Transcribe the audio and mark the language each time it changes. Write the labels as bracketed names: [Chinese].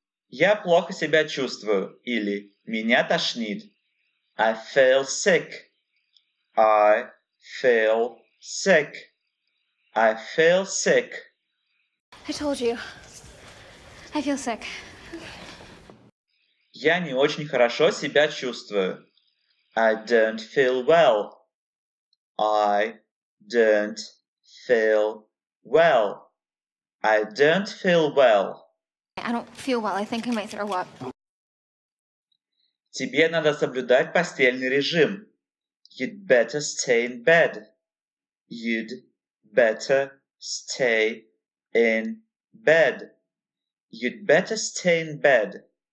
[Russian] Я плохо себя чувствую, или меня тошнит. [English] I feel sick. I feel sick. I feel sick. I told you. I feel sick. [Russian] Я не очень хорошо себя чувствую. [English] I don't feel well. I don't feel well. I don't feel well. I don't feel well. I think I might throw up. [Russian] Тебе надо соблюдать постельный режим. [English] You'd better stay in bed. You'd better stay in bed. You'd better stay in bed.